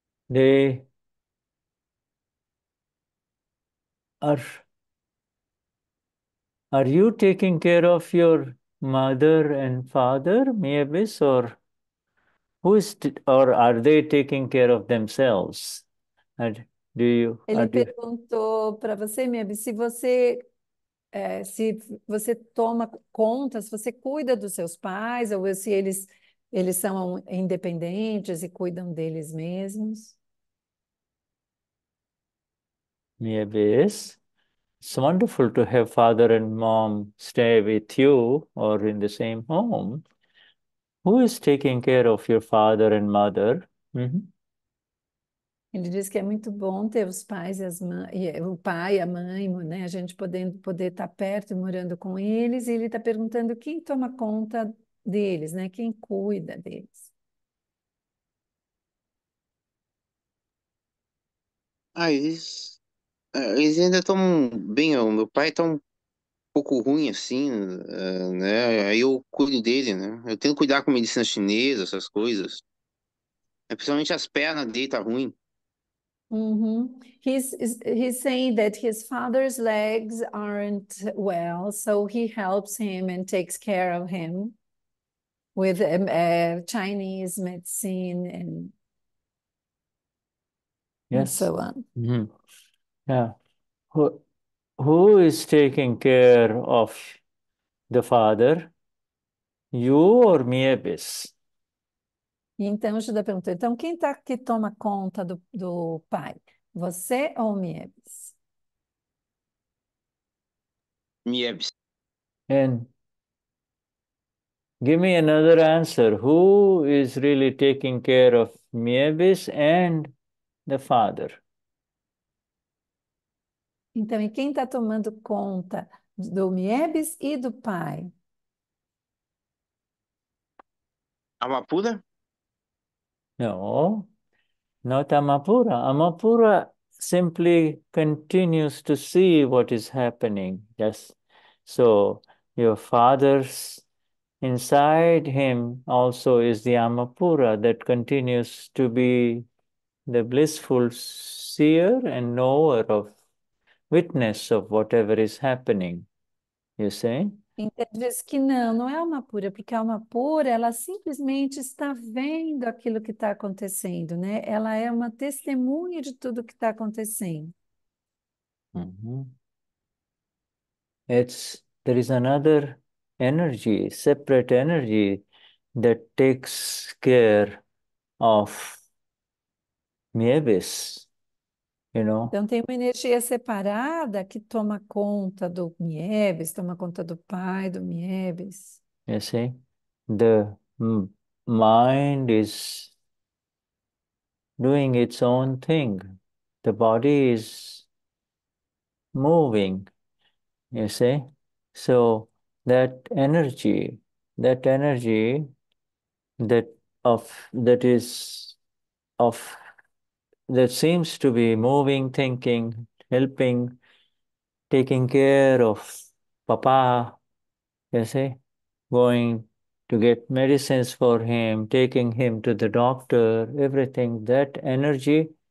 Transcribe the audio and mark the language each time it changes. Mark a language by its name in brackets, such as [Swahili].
[English] They are you taking care of your mother and father, Mavis, or who is or are they taking care of themselves? And do you [Portuguese] Ele [English] are you [Portuguese] perguntou para você, Mieb, se você toma conta, se você cuida dos seus pais, ou se eles são independentes e cuidam deles mesmos. [English] Mavis, it's wonderful to have father and mom stay with you or in the same home. Who is taking care of your father and mother? [Portuguese] Ele diz que é muito bom ter os pais e as mães, o pai e a mãe, né? A gente poder estar perto, morando com eles, e ele está perguntando quem toma conta deles, né? Quem cuida deles. Ah, eles ainda estão bem, o meu pai está um pouco ruim assim, né? Aí eu cuido dele, né? Eu tento cuidar com medicina chinesa, essas coisas. Principalmente as pernas dele tá ruim. [English] He's saying that his father's legs aren't well, so he helps him and takes care of him with Chinese medicine and Yes. so on. Yeah. Who is taking care of the father? You or Miebis? [Portuguese] Então, o Judá perguntou, então, quem está que toma conta do pai? Você ou Mieves? Mieves. [English] And give me another answer. Who is really taking care of Mieves and the father? [Portuguese] Então, e quem está tomando conta do Mieves e do pai? Amapura? [English] No, not Amapura. Amapura simply continues to see what is happening. Yes. So your father's inside him also is the Amapura that continues to be the blissful seer and knower of witness of whatever is happening. You see? [Portuguese] Então, diz que não é uma pura, porque a alma pura, ela simplesmente está vendo aquilo que está acontecendo, né? Ela é uma testemunha de tudo que está acontecendo. [English] It's There is another energy, separate energy that takes care of Mievis, you know. [Portuguese] Então tem uma energia separada que toma conta do Mievis, toma conta do pai do Mievis. [English] You see, the mind is doing its own thing. The body is moving, you see. So that energy that seems to be moving, thinking, helping, taking care of Papa, you see, going to get medicines for him, taking him to the doctor, everything, that energy,